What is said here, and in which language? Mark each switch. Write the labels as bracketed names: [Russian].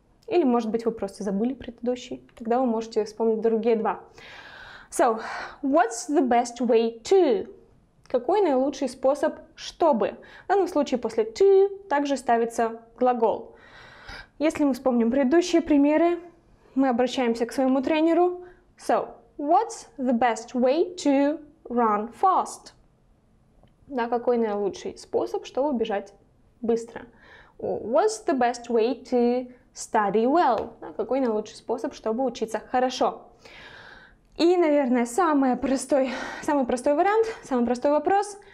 [Russian] Или, может быть, вы просто забыли предыдущий, тогда вы можете вспомнить другие два. [English] So, what's the best way to? [Russian] Какой наилучший способ, чтобы? В данном случае после to также ставится глагол. Если мы вспомним предыдущие примеры, мы обращаемся к своему тренеру. [English] So, what's the best way to run fast? [Russian] Да, какой наилучший способ, чтобы бежать быстро? [English] What's the best way to study well? [Russian] Да, какой наилучший способ, чтобы учиться хорошо? И, наверное, самый простой вариант, самый простой вопрос.